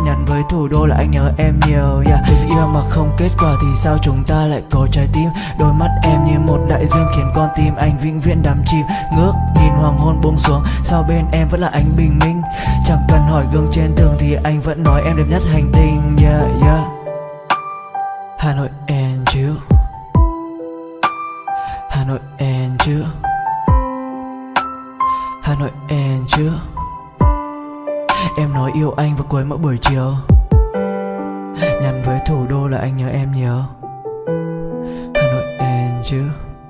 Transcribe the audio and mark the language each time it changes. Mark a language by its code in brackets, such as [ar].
[vi] Nhắn với thủ đô là anh nhớ em nhiều. Yeah, yêu mà không kết quả thì sao chúng ta lại có trái tim. Đôi mắt em như một đại dương khiến con tim anh vĩnh viễn đắm chìm. Ngước nhìn hoàng hôn buông xuống, sao bên em vẫn là ánh bình minh. Chẳng cần hỏi gương trên tường thì anh vẫn nói em đẹp nhất hành tinh. [en] Yeah, yeah, Hà Nội and you, Hà Nội and you, Hà Nội and you. [vi] Em nói yêu anh vào cuối mỗi buổi chiều, nhắn với thủ đô là anh nhớ em nhớ. [en] Hà Nội and you.